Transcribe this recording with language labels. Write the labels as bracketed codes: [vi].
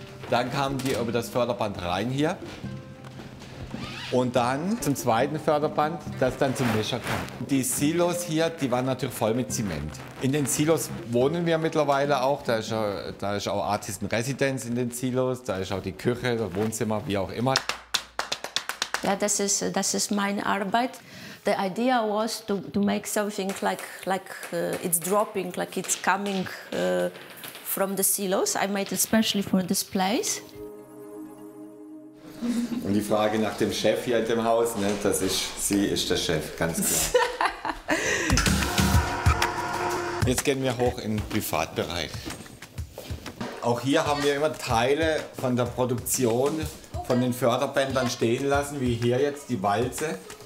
[de] Dann kamen die über das Förderband rein hier und dann zum zweiten Förderband, das dann zum Mischer kam. Die Silos hier, die waren natürlich voll mit Zement. In den Silos wohnen wir mittlerweile auch, da ist auch Artisten Residenz in den Silos, da ist auch die Küche, das Wohnzimmer, wie auch immer. Yeah, das ist meine Arbeit. [en] The idea was to make something like it's dropping, like it's coming from the silos. I made it especially for this place. [de] Und die Frage nach dem Chef hier in dem Haus, ne? Das ist, sie ist der Chef, ganz klar. Jetzt gehen wir hoch in den Privatbereich. Auch hier haben wir immer Teile von der Produktion von den Förderbändern stehen lassen, wie hier jetzt die Walze.